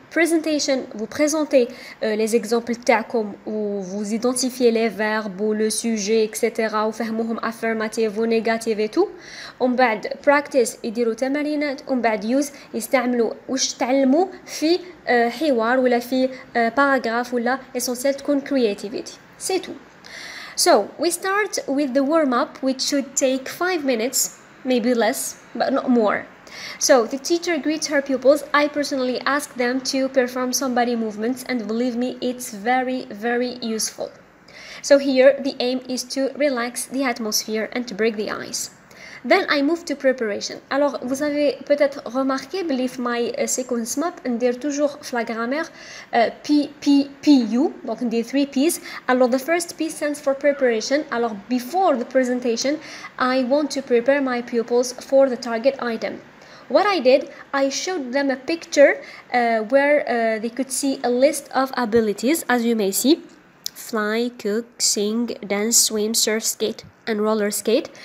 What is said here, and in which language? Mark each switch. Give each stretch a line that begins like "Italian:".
French: Presentation, vous présentez les exemples
Arabic: تاعكم
French: ou vous identifiez les verbes ou le sujet, etc. Ou
Arabic: فهموهم
French: affirmative ou negative et tout. On
Arabic: بعد practice, يديروا تمارينات.
French: On
Arabic: بعد use, يستعملوا وش تعلموا في حوار ولا في paragraph ولا essentiel تكون creativity.
French: C'est tout.
English: So, we start with the warm-up, which should take 5 minutes, maybe less, but not more. So, the teacher greets her pupils. I personally ask them to perform some body movements, and believe me, it's very, very useful. So here, the aim is to relax the atmosphere and to break the ice. Then I move to preparation.
French: Alors, vous avez peut-être remarqué,
English: believe my sequence map,
French: on dit toujours la grammaire, PPPU, donc on dit 3 P's.
English: Alors, the first P stands for preparation. Alors, before the presentation, I want to prepare my pupils for the target item. What I did, I showed them a picture where they could see a list of abilities, as you may see. Fly, cook, sing, dance, swim, surf, skate, and roller skate.